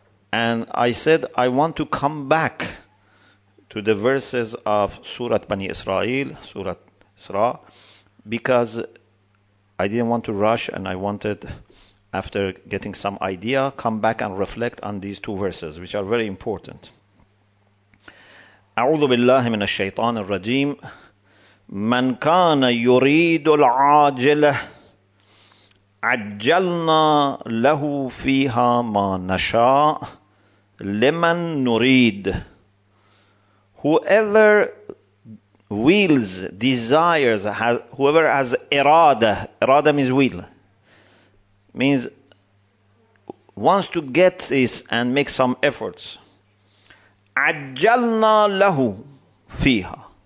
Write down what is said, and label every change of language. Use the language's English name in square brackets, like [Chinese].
[English] And I said I want to come back to the verses of Surah Bani Israel, Surah Isra, because I didn't want to rush and I wanted, after getting some idea, come back and reflect on these two verses, which are very important. [Arabic] أعوذ بالله من الشيطان الرجيم من كان يريد العاجلة عجلنا له فيها ما نشاء لمن نريد. [English] Whoever wills, desires, whoever has irada, irada means will, means wants to get this and make some efforts. [Arabic] عَجَّلْنَا لَهُ فِيهَا.